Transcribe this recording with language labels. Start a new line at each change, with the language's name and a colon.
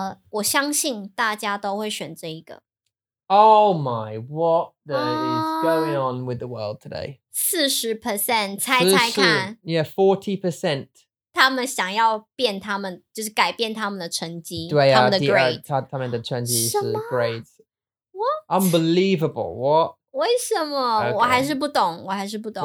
Chinese: 我相信大家都会选这一个
English: oh my what the is going on with the world today
Chinese: 40% 猜猜看
English: yeah 40%
Chinese: 他们想要变他们就是改变他们的成绩对啊他们的 grade 他们的成绩是 grade
English: What? Unbelievable, what?
Chinese: 为什么、
English: okay.
Chinese: 我还是不懂我还是不懂